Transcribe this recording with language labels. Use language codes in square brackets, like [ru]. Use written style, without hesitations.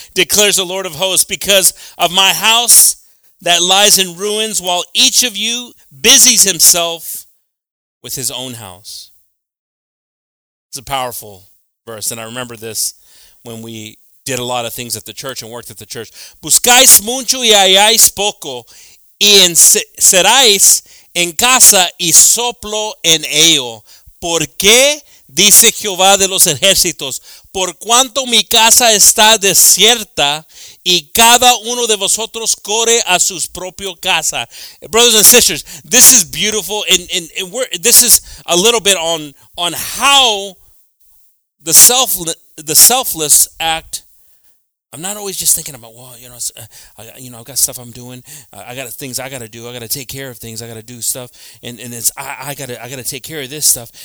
[en] Declares the Lord of hosts. Because of my house that lies in ruins, while each of you busies himself with his own house. It's a powerful verse. And I remember this when we did a lot of things at the church and worked at the church. [es] Buscáis mucho y halláis poco, y encerráis en casa y soplo en ello. ¿Por qué? Dice Jehová de los ejércitos, por cuanto mi casa está desierta y cada uno de vosotros corre a su propia casa. [en] Brothers and sisters, this is beautiful. And this is a little bit on how the selfless act. I'm not always just thinking about, well, you know, I've got stuff I'm doing. I got things I got to do. I got to take care of things. I got to do stuff. And it's, I got to take care of this stuff.